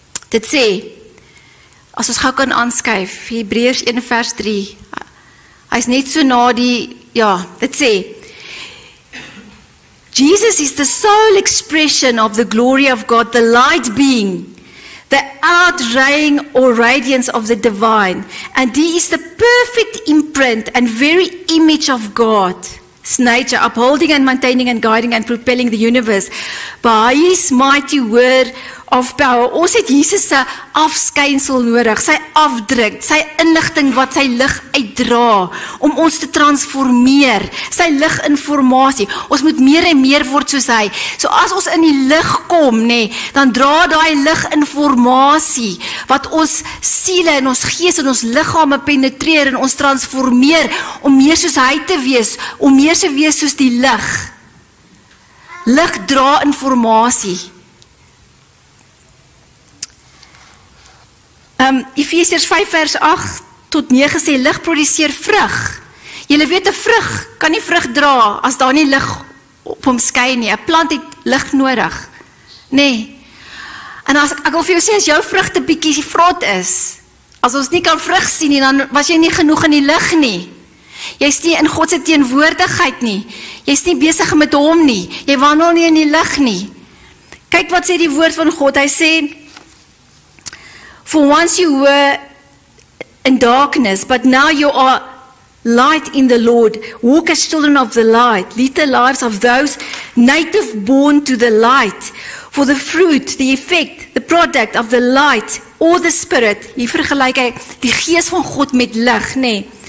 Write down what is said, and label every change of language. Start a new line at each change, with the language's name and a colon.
Afrikaans: Dit sê, as ons gauw kan aanskuif, Hebreërs 1 vers 3, hy is net so na die, ja, dit sê,
English: Jesus is the sole expression of the glory of God, the light being, the outraying or radiance of the divine, and he is the perfect imprint and very image of God, his nature, upholding and maintaining and guiding and propelling the universe, by his mighty word, of power.
Afrikaans: Ons het Jesus sy afskynsel nodig, sy afdruk, sy inligting wat sy lig uitdra, om ons te transformeer, sy lig informatie, ons moet meer en meer word soos hy, so as ons in die lig kom, nee, dan dra die lig informatie, wat ons siele en ons gees en ons lichame penetreer en ons transformeer, om meer soos hy te wees, om meer te wees soos die lig. Lig dra informatie. Efesiërs 5 vers 8 tot 9 sê lig produseer vrug. Julle weet 'n vrug kan nie vrug dra as daar nie lig op hom skyn nie. 'N plant het lig nodig. Nê? En as ek wil vir jou sê as jou vrugte bietjie vrot is, as ons nie kan vrug sien nie, dan was jy nie genoeg in die lig nie. Jy's nie in God se teenwoordigheid nie. Jy's nie besig met hom nie. Jy wandel nie in die lig nie. Kyk wat sê die woord van God. Hy sê
English: For once you were in darkness, but now you are light in the Lord. Walk as children of the light. Lead the lives of those native born to the light. For the fruit, the effect, the product of the light or the spirit.
Afrikaans: Hier vergelyk hy die gees van God met lig, nê?